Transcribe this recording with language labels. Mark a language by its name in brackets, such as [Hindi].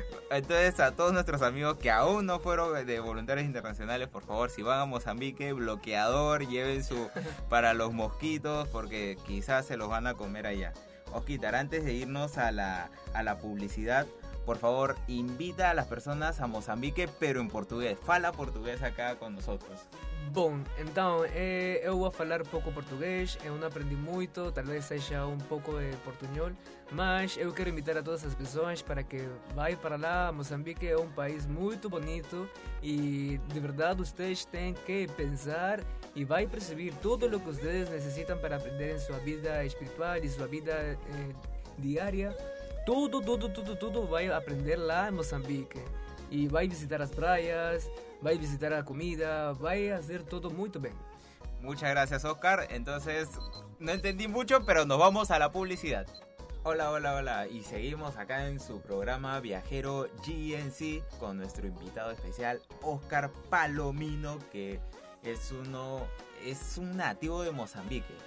[Spanish] Entonces, a todos nuestros amigos que aún no fueron de voluntarios internacionales, por favor, si van a Mozambique, bloqueador, lleven su para los mosquitos, porque quizás se los van a comer allá. Osquitar, antes de irnos a la publicidad, por favor, invita a las personas a Mozambique, pero en portugués. Fala portugués acá con nosotros. [Portuguese] Bom, então, eu vou falar pouco português, eu não aprendi muito, talvez seja um pouco de portunhol, mas eu quero invitar a todas as pessoas para que vá para lá. Moçambique é um país muito bonito e de verdade vocês têm que pensar e vai perceber tudo o que vocês necessitam para aprender em sua vida espiritual e sua vida diária. Tudo vai aprender lá em Moçambique e vai visitar as praias, vai visitar a comida, vai fazer tudo muito bem. [Spanish] Muchas gracias, Oscar. Entonces, no entendí mucho, pero nos vamos a la publicidad. Hola, hola, hola. Y seguimos acá en su programa Viajero GNC con nuestro invitado especial, Oscar Palomino, que es un nativo de Mozambique.